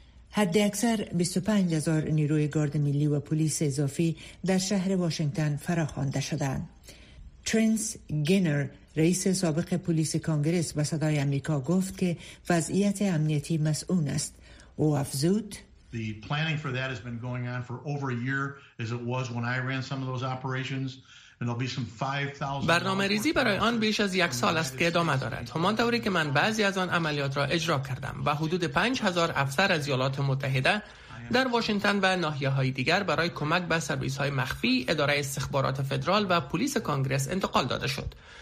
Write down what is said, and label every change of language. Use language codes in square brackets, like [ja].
[fa] حد اکثر 25,000 نیروی گارد ملی و پلیس اضافی در شهر واشنگتن فراخوانده شدند. ترنس گینر رئیس سابق پلیس کانگرس به صدای امریکا گفت که وضعیت امنیتی مسئول است. او افزود: [en] The planning for that has been going on for over a year as it was when I ran some of those operations. [fa] برنامه ریزی برای آن بیش از 1 سال است که ادامه دارد، همانطوری که من بعضی از آن عملیات را اجرا کردم و حدود 5,000 افسر از ایالات متحده در واشنگتن و ناحیه های دیگر برای کمک به سرویس های مخفی، اداره استخبارات فدرال و پلیس کانگرس انتقال داده شد.